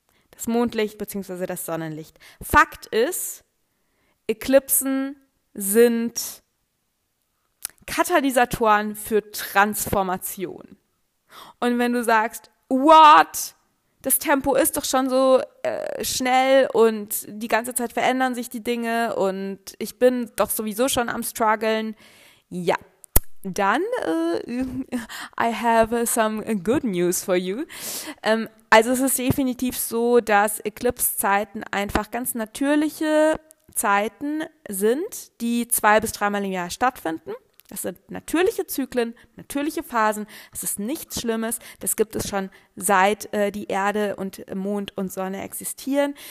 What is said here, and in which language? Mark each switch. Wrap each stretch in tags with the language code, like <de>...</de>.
<de>Das Mondlicht bzw. das Sonnenlicht. Fakt ist, Eklipsen sind Katalysatoren für Transformation. Und wenn du sagst, what? Das Tempo ist doch schon so schnell und die ganze Zeit verändern sich die Dinge und ich bin doch sowieso schon am struggeln. Ja, dann</de> <en>I have some good news for you.</en> <de>Also es ist definitiv so, dass Eclipse-Zeiten einfach ganz natürliche Zeiten sind, die 2 bis 3 Mal im Jahr stattfinden. Das sind natürliche Zyklen, natürliche Phasen. Es ist nichts Schlimmes. Das gibt es schon seit die Erde und Mond und Sonne existieren.</de>